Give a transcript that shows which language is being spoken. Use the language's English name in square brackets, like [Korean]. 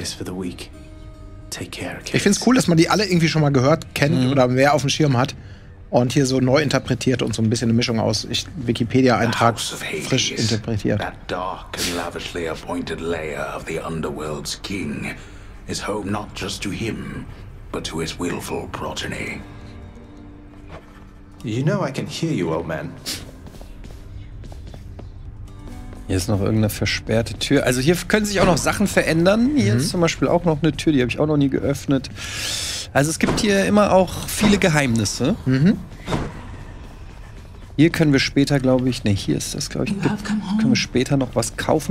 [German] Ich finde es cool, dass man die alle irgendwie schon mal gehört, kennt oder mehr auf dem Schirm hat. Und hier so neu interpretiert und so ein bisschen eine Mischung aus Wikipedia-Eintrag frisch interpretiert. [English] That dark and lavishly appointed lair of the underworld's king is home not just to him, but to his willful progeny. You know I can hear you, old man. [German] Hier ist noch irgendeine versperrte Tür. Also hier können sich auch noch Sachen verändern. Hier ist zum Beispiel auch noch eine Tür, die habe ich auch noch nie geöffnet. Also es gibt hier immer auch viele Geheimnisse. Hier können wir später, glaube ich, können wir später noch was kaufen.